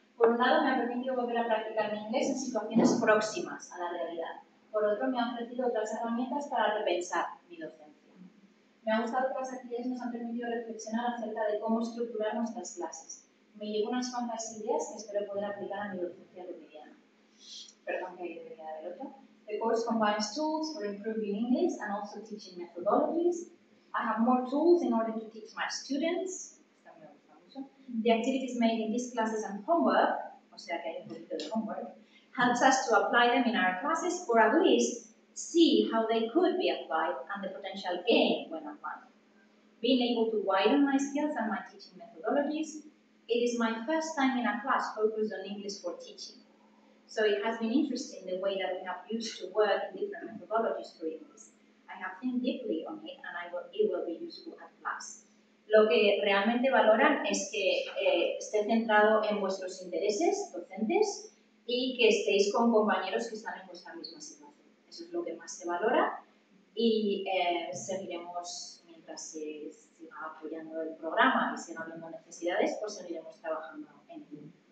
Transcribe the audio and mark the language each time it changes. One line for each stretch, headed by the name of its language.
Spanish: Por un lado, me ha permitido volver a practicar mi inglés en situaciones próximas a la realidad. Por otro, me ha ofrecido otras herramientas para repensar mi docencia. Me ha gustado que las actividades nos han permitido reflexionar acerca de cómo estructurar nuestras clases. Me llevo unas cuantas ideas que espero poder aplicar a mi docencia cotidiana. Perdón, que yo debería haber otro.
English: The course combines tools for improving English and also teaching methodologies. I have more tools in order to teach my students. The activities made in these classes and homework,
Spanish: o sea que hay un poquito de homework,
English: helps us to apply them in our classes or at least see how they could be applied and the potential gain when applied. Being able to widen my skills and my teaching methodologies, it is my first time in a class focused on English for teaching. So it has been interesting the way that we have used to work in different methodologies for English. I have think deeply on it and it will be useful at class.
Spanish: Lo que realmente valoran es que esté centrado en vuestros intereses docentes y que estéis con compañeros que están en vuestra misma situación. Eso es lo que más se valora y seguiremos, mientras se siga apoyando el programa y siga habiendo necesidades, pues seguiremos trabajando en ello.